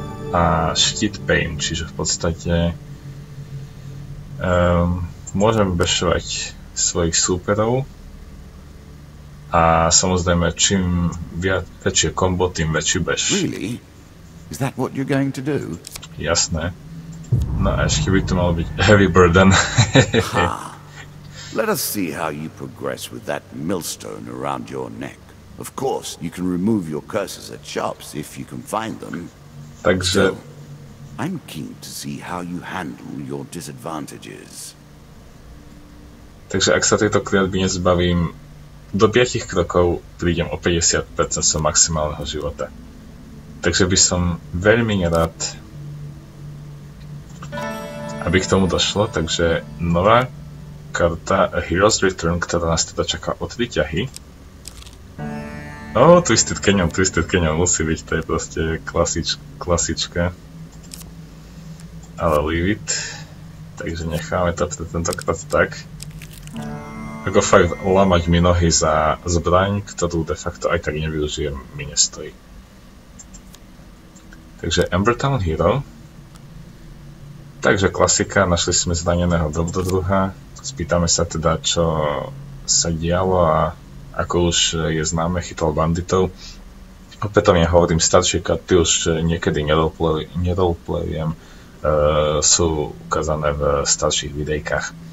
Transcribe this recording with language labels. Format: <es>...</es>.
<sk>A štít pain, čiže v podstate môžem bešovať svojich súperov. A samozrejme, čím väčšie kombo, tým väčší beš.</sk> <en>Really? Is that what you're going to do?</en> <sk>Jasné. No a ešte by to malo byť heavy burden. Ha.</sk> <en>Let us see how you progress with that millstone around your neck. Of course, you can remove your curses at shops if you can find them.</en> <sk>Takže...</sk> <en>So, I'm keen to see how you handle your disadvantages.</en> <sk>Takže ak sa tejto kliatby nezbavím, do 5 krokov prídem o 50% svojho maximálneho života. Takže by som veľmi nerad, aby k tomu došlo. Takže nová karta A Hero's Return, ktorá nás teda čaká o 3 ťahy. Oh, Twisted Canyon, Twisted Canyon musí byť, to je proste klasička. Ale</sk> <en>leave it.</en> <sk>Takže necháme to pre tentokrát tak. Ako fakt lamať mi nohy za zbraň, ktorú de facto aj tak nevyužijem, mi nestojí. Takže Embertown Hero. Takže klasika, našli sme zraneného dobrodruha. Spýtame sa teda, čo sa dialo a ako už je známe, chytal banditov. Opätovne hovorím, staršie karty už niekedy neroleplayujem. Sú ukázané v starších videjkách.</sk>